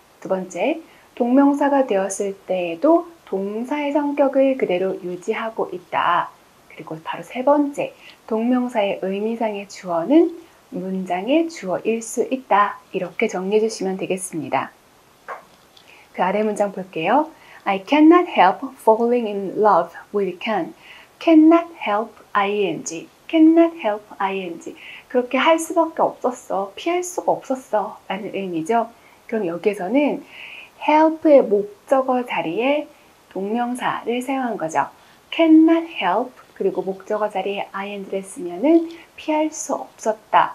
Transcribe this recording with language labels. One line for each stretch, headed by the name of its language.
Korean: 두 번째, 동명사가 되었을 때에도 동사의 성격을 그대로 유지하고 있다. 그리고 바로 세 번째, 동명사의 의미상의 주어는 문장의 주어일 수 있다. 이렇게 정리해 주시면 되겠습니다. 그 아래 문장 볼게요.
English: I cannot help falling in love with Ken. Cannot help ing. Cannot help ing.
Korean: 그렇게 할 수밖에 없었어. 피할 수가 없었어. 라는 의미죠. 그럼 여기에서는 help의 목적어 자리에 동명사를 사용한 거죠.
English: Cannot help.
Korean: 그리고 목적어 자리에 ing를 쓰면은 피할 수 없었다.